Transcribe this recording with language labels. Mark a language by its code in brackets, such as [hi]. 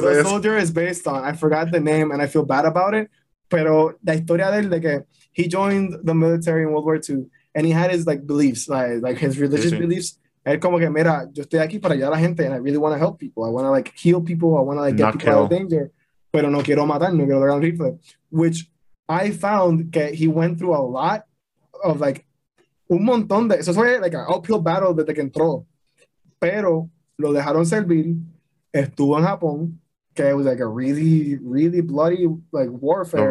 [en] The Soldier is based on, I forgot the name and I feel bad about it. [es] Pero la historia de él, de que [en] he joined the military in World War II and he had his like beliefs, like his religious beliefs. [es] Él como que, mira, yo estoy aquí para ayudar a la gente [en] and I really want to help people. I want to like heal people. I want to like get people out of danger. [es] Pero no quiero matar, no quiero dar un rifle. [en] Which I found that he went through a lot of like [es] un montón de... Eso fue [en] like an uphill battle [es] desde que entró. Pero lo dejaron servir. Estuvo en Japón. [en] Que it was like a really, really bloody like warfare.